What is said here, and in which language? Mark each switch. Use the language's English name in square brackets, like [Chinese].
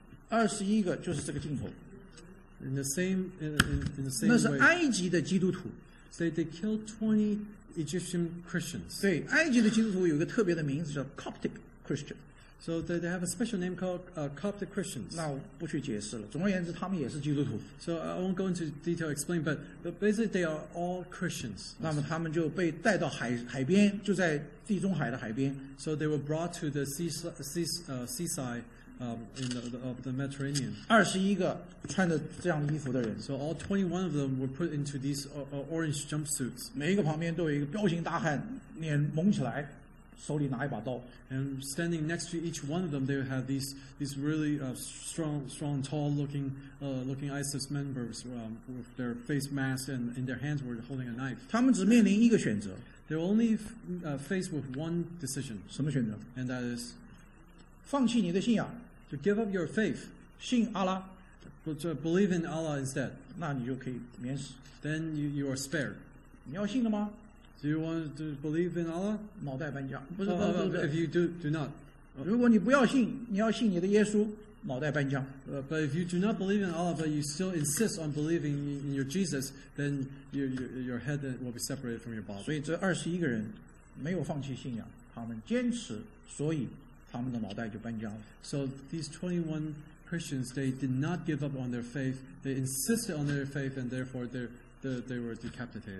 [Chinese] 21个就是这个镜头。 [English] In the same way. [Chinese] 那是埃及的基督徒。 [English] So they killed 20 Egyptian Christians. [Chinese] 对，埃及的基督徒有一个特别的名字叫 Coptic Christian. [English] So they have a special name called Coptic Christians. [Chinese] 那不去解释了。总而言之，他们也是基督徒。 [English] So I won't go into detail explain, but basically they are all Christians. [Chinese] 那么他们就被带到海边，就在地中海的海边。 [English] So they were brought to the seaside. In the Mediterranean. [Chinese] 21个穿着这样衣服的人。 [English] So all 21 of them were put into these orange jumpsuits. [Chinese] 每一个旁边都有一个彪形大汉，脸蒙起来，手里拿一把刀。 [English] And standing next to each one of them, they had these really strong, tall looking ISIS members with their face masks and in their hands were holding a knife. [Chinese] 他们只面临一个选择。 [English] They're only faced with one decision. [Chinese] 什么选择？ [English] And that is. [Chinese] 放弃你的信仰 [English] to give up your faith, [Chinese] 信阿拉 [English] to believe in Allah instead, [Chinese] 那你就可以免死 [English] then you are spared. [Chinese] 你要信了吗？ [English] Do you want to believe in Allah? [Chinese] 脑袋搬家，不是不是不是。 [English] If you do not, [Chinese] 如果你不要信，你要信你的耶稣，脑袋搬家。 [English] But if you do not believe in Allah, but you still insist on believing in your Jesus, then your head will be separated from your body. [Chinese] 所以这二十一个人没有放弃信仰，他们坚持，所以。他们的脑袋就搬家了。 [English] So these 21 Christians, they did not give up on their faith. They insisted on their faith, and therefore they were decapitated.